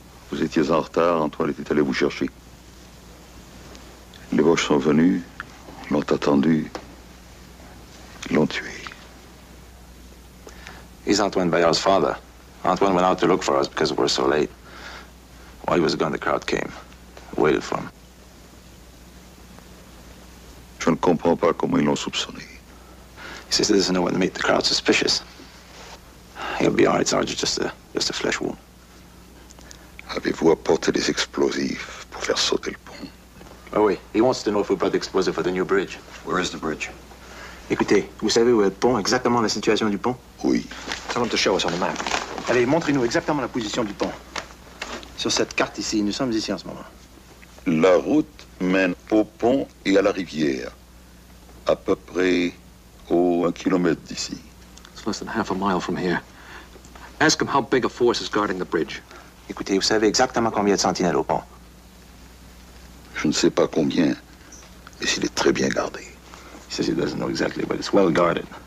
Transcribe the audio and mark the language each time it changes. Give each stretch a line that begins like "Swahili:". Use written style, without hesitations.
French: Vous étiez en retard, Antoine était allé vous chercher. Les Boches sont venus, l'ont attendu, l'ont tué.
English: He's Antoine Bayard's father. Antoine went out to look for us because we're so late. While he was gone, the crowd came, waited for him.
French: Je ne comprends pas comment ils l'ont soupçonné.
English: He says there's no one to make the crowd suspicious. He'll be all right, Sergeant, just a flesh wound.
French: Avez-vous apporté des explosifs pour faire sauter le pont? Oh, oui.
English: He wants to know if we brought the explosive for the new bridge. Where is the bridge?
French: Écoutez, vous savez où est le pont, exactement la situation du pont? Oui.
English: Tell him to show us on the map.
French: Allez, montrez-nous exactement la position du pont. Sur cette carte ici, nous sommes ici en ce moment. La route mène au pont et à la rivière. À peu près... Oh, un kilomètre d'ici.
English: It's less than half a mile from here. Ask him how big a force is guarding the bridge.
French: Écoutez, vous savez exactement combien de sentinelles au pont? Je ne sais pas combien, mais s'il est très bien gardé.
English: He says he doesn't know exactly, but it's well guarded.